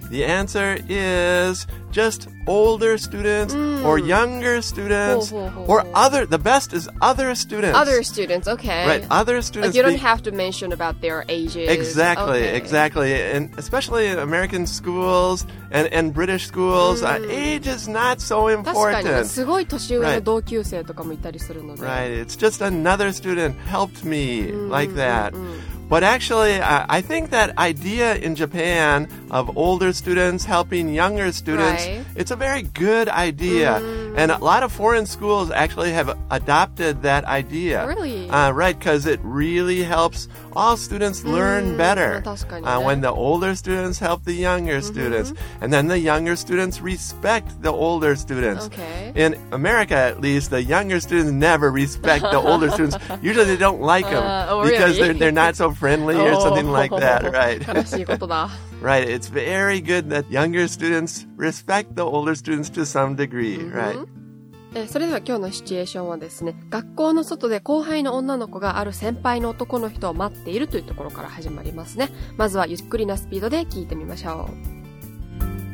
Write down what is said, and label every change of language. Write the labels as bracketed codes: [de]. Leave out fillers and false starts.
[en] The answer is just older students or younger students or other. The best is other students. Other students, okay. Right, other students. Like you don't have to mention about their ages. Exactly, okay. Exactly. And especially in American schools and British schools, age is not so important. [ja] 確かに、すごい年上の同級生とかもいたりするので。 [en] Right, it's just another student helped me like that. But actually, I think that idea in Japan of older students helping younger students, it's a very good idea. And a lot of foreign schools actually have adopted that idea. Really? Right, because it really helps all students learn better. When the older students help the younger students. And then the younger students respect the older students. Okay. In America, at least, the younger students never respect the older students. Usually they don't like them because they're not so friendly or something like that, right? [ja] 悲しいことだ。 [en] Right, it's very good that younger students respect the older students to some degree, right? [ja] それでは今日のシチュエーションはですね、学校の外で後輩の女の子がある先輩の男の人を待っているというところから始まりますね。まずはゆっくりなスピードで聞いてみましょう。